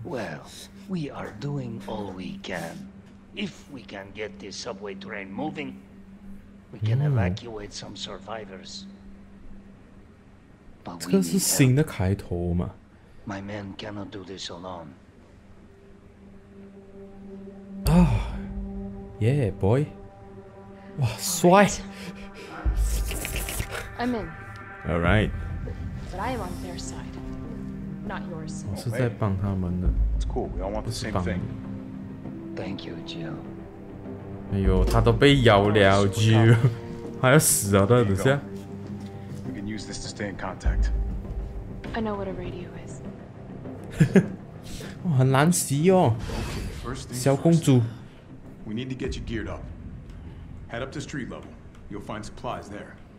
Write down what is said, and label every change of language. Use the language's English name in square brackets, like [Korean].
[English] Well, we are doing all we can. If we can get this subway train moving, we can evacuate some survivors. But we need help. [Chinese] 这个是新的开头嘛 [English] ？My men cannot do this alone. Ah, yeah, boy. [Chinese] 哇，帅 [English] ！I'm in. All right. But I'm on their side. Not yours. [Chinese] 我是在帮他们的。 [English] It's cool. We all want the same thing. Thank you, Jill. [Chinese] 哎呦，他都被咬了 ，Jill， 他要死啊！他等下。 [English] We can use this to stay in contact. I know what a radio is. [Chinese] 哇，很难洗哦。小公主。 [English] We need to get you geared up. Head up to street level. You'll find supplies there.